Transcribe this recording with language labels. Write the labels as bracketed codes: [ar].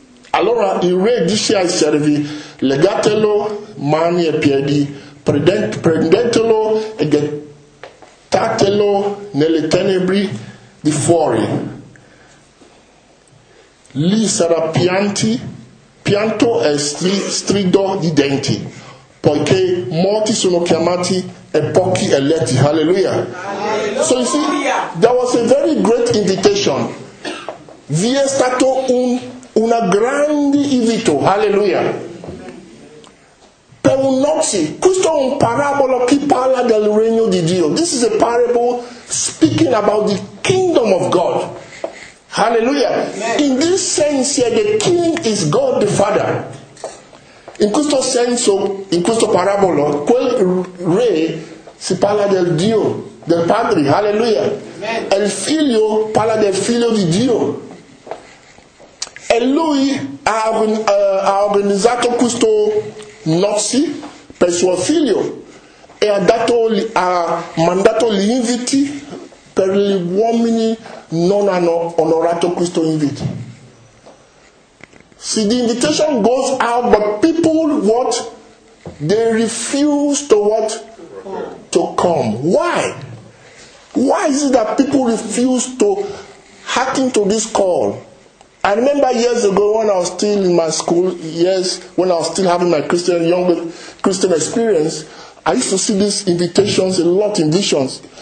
[it] Allora il re disse ai servi: legatelo mani e piedi, prendetelo e gettatelo nelle tenebre di fuori. Lì sarà pianto e strido di denti, poiché molti sono chiamati e pochi eletti. Hallelujah. [en] So you see, there was a very great invitation. [it] Vi è stato una grande invito, hallelujah, per un nozze. Questo è un parabola che parla del regno di Dio. [en] This is a parable speaking about the kingdom of God. Hallelujah. In this sense here, the king is God the Father. [it] In questo senso, in questo parabolo, quel re si parla del Dio, del Padre. Hallelujah. E il figlio parla del figlio di Dio. E lui ha organizzato questo nozze per suo figlio e ha mandato gli inviti per gli uomini non hanno onorato questo invito. [en] See, the invitation goes out, but people, what? They refuse to what? To come. Why? Why is it that people refuse to hearken to this call? I remember years ago when I was still in my school, when I was still having my younger Christian experience, I used to see these invitations a lot in visions.